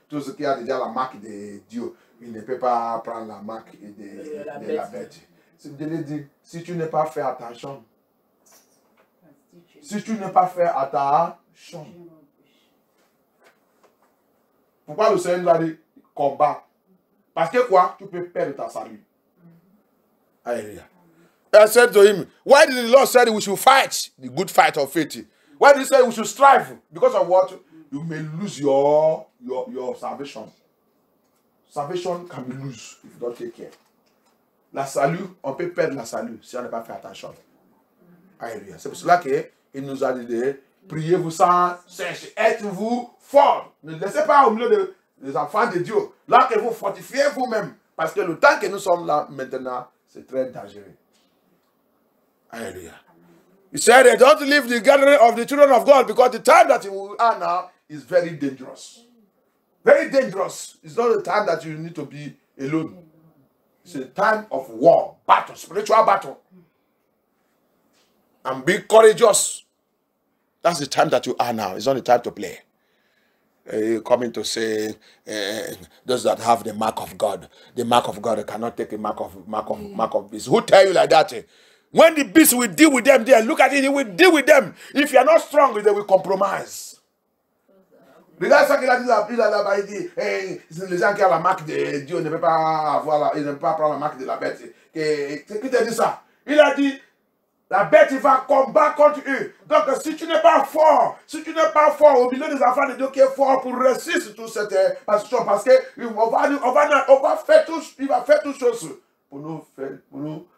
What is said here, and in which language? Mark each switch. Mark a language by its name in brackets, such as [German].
[French] Tout ce qui a déjà la marque de Dieu, il ne peut pas prendre la marque de la bête. Dieu lui dit, si tu n'es pas fait attention, si tu n'es pas fait attention, pourquoi le Seigneur lui a dit, combat? Parce que quoi? Tu peux perdre ta salut. Alléluia. [English] I said to him, why did the Lord say we should fight the good fight of faith? Why did he say we should strive? Because of what? You may lose your salvation. Salvation can be lose if you don't take care. [French] La salut, on peut perdre la salut si on n'a pas fait attention. Alléluia. C'est pour cela qu'il nous a dit de prier vous sans cesse. Êtes-vous fort. Ne laissez pas au milieu des enfants de Dieu. Là que vous fortifiez vous-même. Parce que le temps que nous sommes là maintenant, c'est très dangereux. Alléluia. [English] He said, don't leave the gathering of the children of God because the time that you are now is very dangerous. Very dangerous. It's not the time that you need to be alone. It's a time of war, battle, spiritual battle. And be courageous. That's the time that you are now. It's not the time to play. Coming to say, those that have the mark of God cannot take a mark of this. Who tell you like that? When the beast will deal with them there, look at it, he will deal with them. If you are not strong, they will compromise. [French] Regarde ça qu'il a dit là-bas, il dit, hey, les gens qui ont la marque de Dieu ne peuvent pas prendre la marque de la bête. C'est qui t'a dit ça? Il a dit, la bête va combattre contre eux. Donc si tu n'es pas fort, si tu n'es pas fort au milieu des enfants de Dieu qui est fort pour résister tout cette passion, parce qu'on va faire tout, il va faire toutes choses pour nous faire, pour nous.